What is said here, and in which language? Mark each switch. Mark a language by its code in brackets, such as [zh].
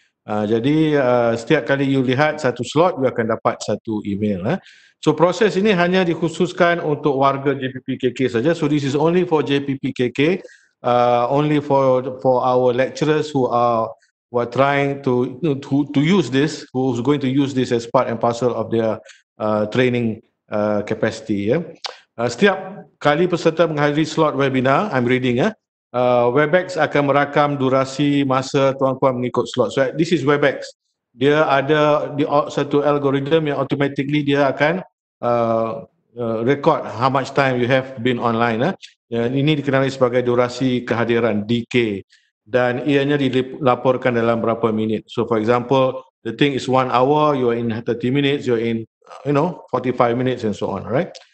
[ms] Jadi setiap kali you lihat satu slot, you akan dapat satu email. So proses ini hanya dikhususkan untuk warga JPPKK saja. [en] So this is only for JPPKK, only for our lecturers who are trying to use this, who's going to use this as part and parcel of their training capacity. [ms] Setiap kali peserta menghadiri slot webinar, [en] I'm reading, [ms] WebEx akan merakam durasi masa tuan-puan mengikut slot. [en] So this is WebEx. [ms] Dia ada satu [en] algorithm yang automatically [ms] dia akan [en] record how much time you have been online. [ms] Ini dikenali sebagai durasi kehadiran, DK. Dan ianya dilaporkan dalam berapa minit. [en] So for example, the thing is 1 hour, you are in 30 minutes, you are in 45 minutes and so on, right?